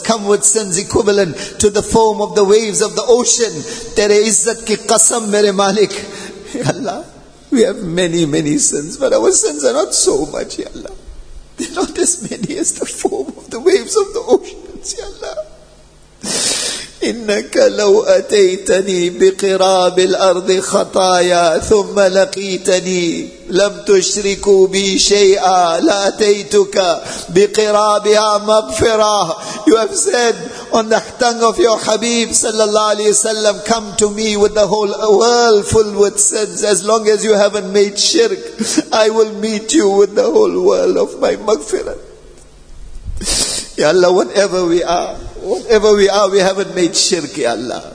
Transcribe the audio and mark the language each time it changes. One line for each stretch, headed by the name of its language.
English: Come with sins equivalent to the foam of the waves of the ocean.
Urdu: Tere izzat ki qasam mere malik.
English: Ya Allah, we have many, many sins, but our sins are not so much, Ya Allah. They're not as many as the foam of the waves of the oceans, Ya Allah.
Arabic: إنك لو أتيتني بقراب الأرض خطايا ثم لقيتني لم تشركوا بي شيئا لأتيتك بقرابها مغفرة.
English: You have said on the tongue of your Habib sallallahu alayhi wa sallam, come to me with the whole world full with sins. As long as you haven't made shirk, I will meet you with the whole world of my maghfirah. Ya Allah, whatever we are, we haven't made shirk, Ya Allah.